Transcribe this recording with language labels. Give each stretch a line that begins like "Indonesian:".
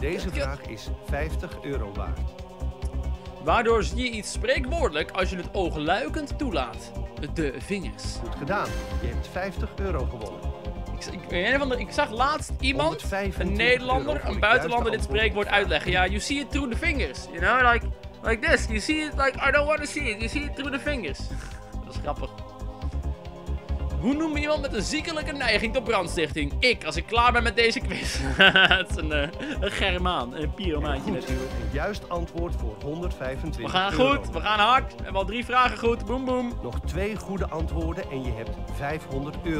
Dutch: Deze vraag is 50 euro waard. Waardoor zie je iets spreekwoordelijk als je het oogluikend toelaat? De vingers. Goed gedaan. Je hebt 50 euro gewonnen. Ik zag laatst iemand, een Nederlander, een buitenlander, dit spreekwoord uitleggen.
English: Ja, you see it through the fingers. You know, like... Like this, you see it like, I don't want to see it, you see it through the fingers.
Dutch: Dat is grappig. Hoe noem je iemand met een ziekelijke neiging tot brandstichting? Ik, als ik klaar ben met deze quiz. Het is een Germaan, een pyromaantje natuurlijk. Een juist antwoord voor 125 euro. We gaan goed, we gaan hard. We hebben al 3 vragen goed, boom boom. Nog 2 goede antwoorden en je hebt 500 euro.